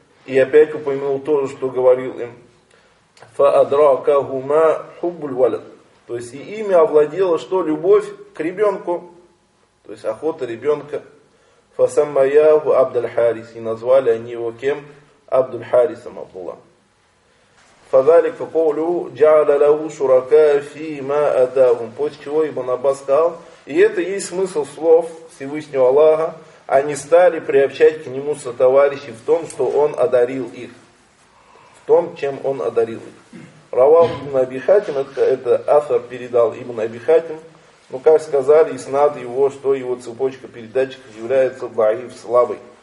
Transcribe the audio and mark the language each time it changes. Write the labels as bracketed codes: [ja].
[ru] И опять упомянул то же, что говорил им. [ar] Фаадракагума хуббульвалят. [ru] То есть и ими овладела что? Любовь к ребенку. То есть охота ребенка. [ar] Фасаммаяху Абдул-Харис. [ru] И назвали они его кем? Абдул-Харисом Абдулла. [ar] فذلك قوله جعل له شركاء فيما أتاهم. [ru] После чего Ибн Аббас сказал, и это и есть смысл слов Всевышнего Аллаха, они стали приобщать к нему сотоварищей в том, что он одарил их. В том, чем он одарил их. Равал Ибн Аби Хатим, это автор передал Ибн Аби Хатим, ну, как сказали, иснад его, что его цепочка передатчиков является даиф, слабой.